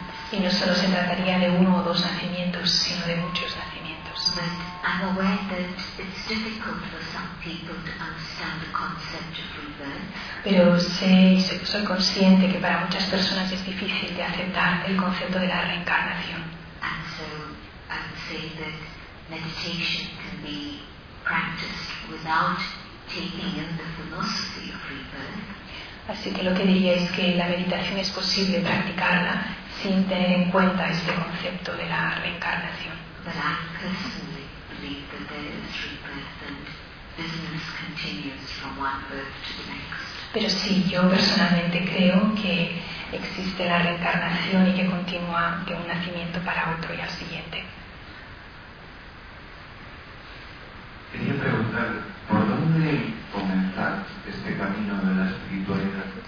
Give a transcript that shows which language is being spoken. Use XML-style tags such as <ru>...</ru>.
<es>Y no solo se trataría de uno o dos nacimientos, sino de muchos nacimientos.</es> <en>But I'm aware that it's difficult for some people to understand the concept of rebirth.</en> <es>Pero sé, soy consciente que para muchas personas es difícil de aceptar el concepto de la reencarnación.</es> <en>And so I'm say that meditation can be practiced without taking in the philosophy of rebirth.</en> <es>Así que lo que diría es que la meditación es posible practicarla sin tener en cuenta este concepto de la reencarnación.</es> <en>But I personally believe that there is rebirth and business continues from one birth to the next.</en> <es>Pero sí, yo personalmente creo que existe la reencarnación y que continúa de un nacimiento para otro y al siguiente. Quería preguntar, ¿por dónde comenzar este camino de la espiritualidad?</es>